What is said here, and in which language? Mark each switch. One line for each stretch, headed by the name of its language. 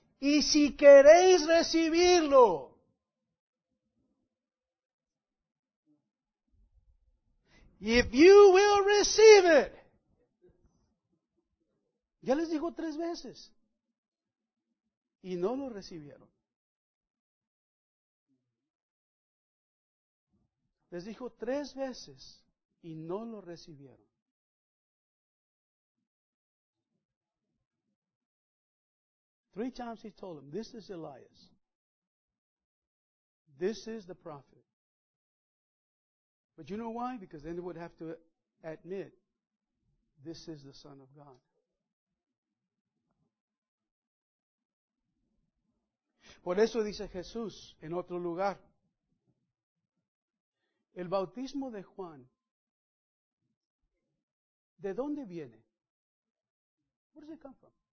Spanish: Y si queréis recibirlo,
English: if you will receive it,
Spanish: ya les dijo tres veces. Y no lo recibieron. Les dijo tres veces y no lo recibieron.
English: Three times he told them, this is Elias. This is the prophet. But you know why? Because then they would have to admit, this is the Son of God.
Spanish: Por eso dice Jesús en otro lugar. El bautismo de Juan, ¿de dónde viene?
English: Where does it come from?